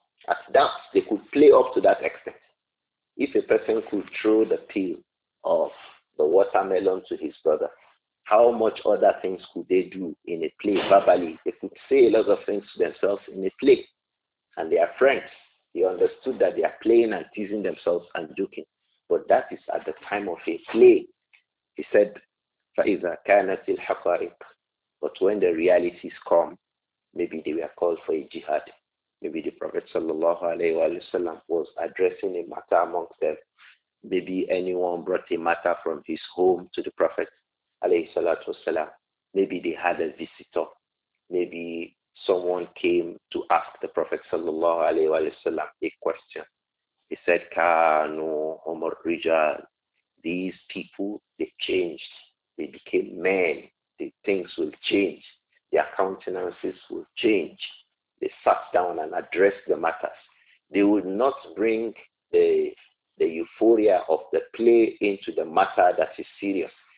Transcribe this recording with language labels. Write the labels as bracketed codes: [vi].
[en] At that, they could play up to that extent. If a person could throw the peel of the watermelon to his brother, how much other things could they do in a play verbally? They could say a lot of things to themselves in a play. And they are friends. They understood that they are playing and teasing themselves and joking. But that is at the time of a play. He said, [ar] فَإِذَا كَانَتِ الْحَقَائِقِ. [en] But when the realities come, maybe they were called for a jihad. Maybe the Prophet sallallahu alayhi wa sallam was addressing a matter amongst them. Maybe anyone brought a matter from his home to the Prophet alayhi salatu wasalam. Maybe they had a visitor. Maybe someone came to ask the Prophet sallallahu alayhi wa sallam a question. He said, [ar] كَانُوا هُمُ الرِّجَالِ. [en] These people, they changed. They became men. The things will change. Their countenances will change. They sat down and addressed the matters. They would not bring the euphoria of the play into the matter that is serious.